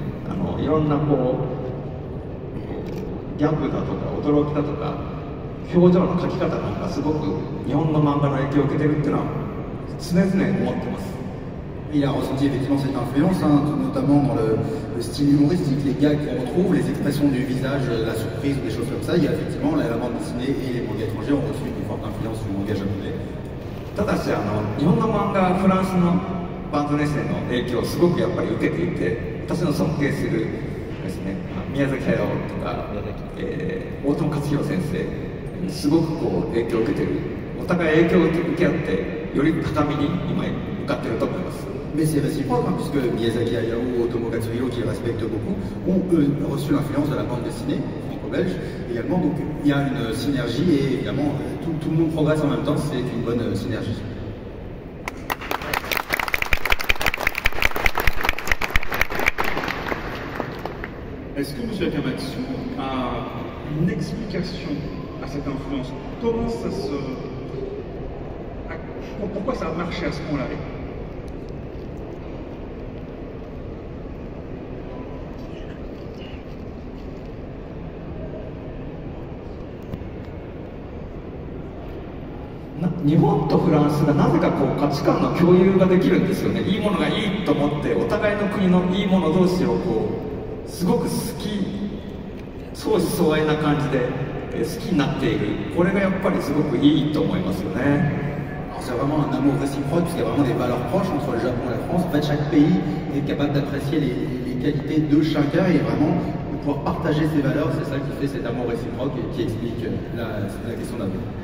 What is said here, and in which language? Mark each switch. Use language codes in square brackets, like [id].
[ja] あのいろんなこうギャグだとか驚きだとか表情の描き方なんかすごく日本の漫画の影響を受けてるっていうのは常々思ってます。 [fr] Il a ressenti effectivement cette influence, hein, notamment dans le style humoristique, les gags qu'on retrouve, les expressions du visage, la surprise ou des choses comme ça. Il y a effectivement la bande dessinée et les mangas étrangers ont reçu une forte influence du manga japonais. [ja] ただし、あの日本の漫画はフランスのバンドネスへの影響をすごくやっぱり受けていて、私の尊敬するですね、宮崎駿とか、大友克洋先生、すごくこう影響を受けている。お互い影響を受け合って、より高みに今向かっていると思います。 [fr] Mais c'est réciproque, puisque Miyazaki Hayao ou Otomo Katsuhiro, qui respecte beaucoup, ont eux reçu l'influence de la bande dessinée franco-belge également. Donc il y a une synergie et évidemment tout le monde progresse en même temps, c'est une bonne synergie. Est-ce que M. Akamatsu a une explication à cette influence? Comment ça se. Pourquoi ça a marché à ce point-là? [ja] 日本とフランスがなぜかこう価値観の共有ができるんですよね。いいものがいいと思ってお互いの国のいいもの同士をこうすごく好き相思相愛な感じで好きになっている、これがやっぱりすごくいいと思いますよね。 [fr] C'est vraiment un amour réciproque, puisqu'il y a vraiment des valeurs proches entre le Japon et la France. En fait, chaque pays est capable d'apprécier les qualités de chacun et vraiment de pouvoir partager ces valeurs. C'est ça qui fait cet amour réciproque et qui explique la question d'amour.